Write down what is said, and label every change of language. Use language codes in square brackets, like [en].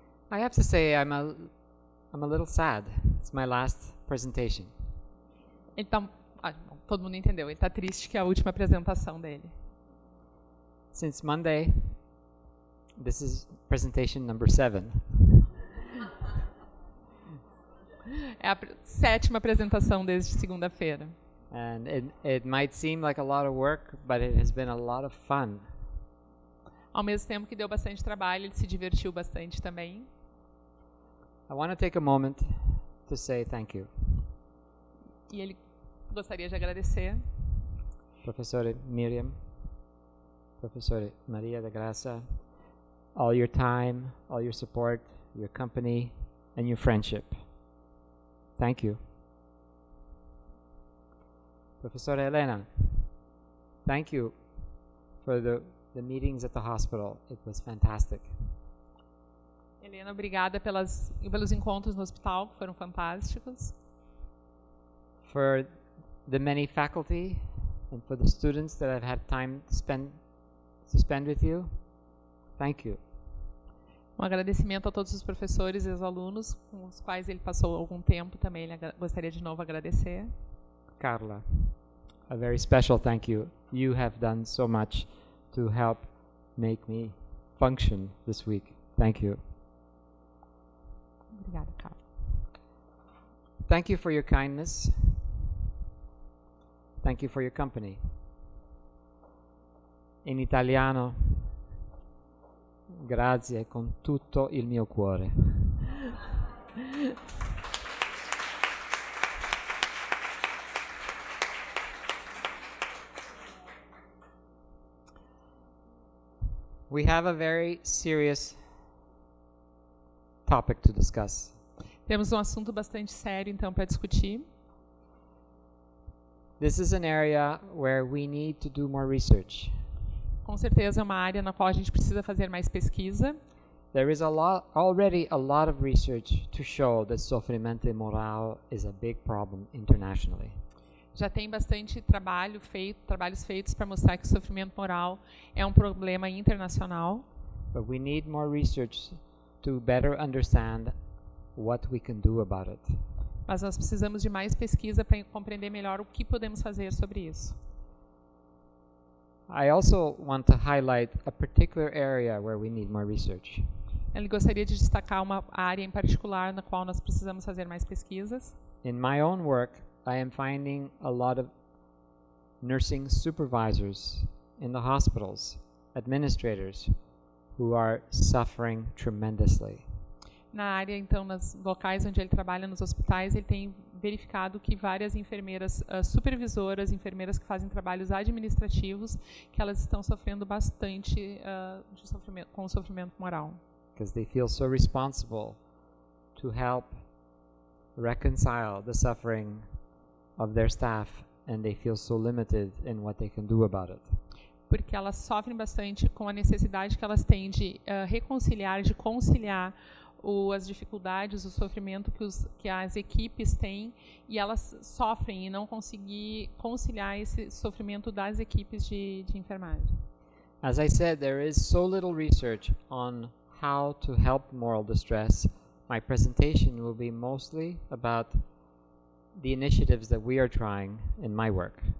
[en] I have to say I'm a little sad. It's my last presentation. [pt] Então, todo mundo entendeu. Ele está triste que é a última apresentação dele. [en] Since Monday, this is presentation number 7. [pt] É a sétima apresentação desde segunda-feira. [en] And it might seem like a lot of work, but it has been a lot of fun. [pt] Ao mesmo tempo que deu bastante trabalho, ele se divertiu bastante também. [en] I want to take a moment to say thank you. [pt] E ele gostaria de agradecer. [en] Professora Miriam, Professora Maria da Graça, all your time, all your support, your company, and your friendship. Thank you. Professora Helena, thank you for the meetings at the hospital. It was fantastic. [pt] Helena, obrigada pelos encontros no hospital, que foram fantásticos. [en] For the many faculty and for the students that I've had time to spend with you, thank you. [pt] Um agradecimento a todos os professores e os alunos com os quais ele passou algum tempo também. Ele gostaria de novo agradecer. [en] Carla, a very special thank you. You have done so much to help make me function this week. Thank you. [pt] Obrigada, Carla. [en] Thank you for your kindness. Thank you for your company. [it] In italiano, grazie con tutto il mio cuore. [en] We have a very serious topic to discuss. [pt] Temos um assunto bastante sério, então, para discutir. [en] This is an area where we need to do more research. [pt] Com certeza é uma área na qual a gente precisa fazer mais pesquisa. [en] There is already a lot of research to show that [pt] sofrimento moral [en] is a big problem internationally. [pt] Já tem bastante trabalhos feitos para mostrar que o sofrimento moral é um problema internacional. [en] But we need more research to better understand what we can do about it. [pt] Mas nós precisamos de mais pesquisa para compreender melhor o que podemos fazer sobre isso. [en] I also want to highlight a particular area where we need more research. [pt] Eu gostaria de destacar uma área em particular na qual nós precisamos fazer mais pesquisas. [en] In my own work, I am finding a lot of nursing supervisors in the hospitals, administrators who are suffering tremendously. [pt] Na área, então, nos locais onde ele trabalha, nos hospitais, ele tem verificado que várias enfermeiras, supervisoras, enfermeiras que fazem trabalhos administrativos, que elas estão sofrendo bastante com o sofrimento moral. [en] Because they feel so responsible to help reconcile the suffering of their staff, and they feel so limited in what they can do about it. [pt] Porque elas sofrem bastante com a necessidade que elas têm de reconciliar, de conciliar as dificuldades, o sofrimento que as equipes têm, e elas sofrem e não conseguir conciliar esse sofrimento das equipes de enfermagem. [en] As I said, there is so little research on how to help moral distress. My presentation will be mostly about the initiatives that we are trying in my work.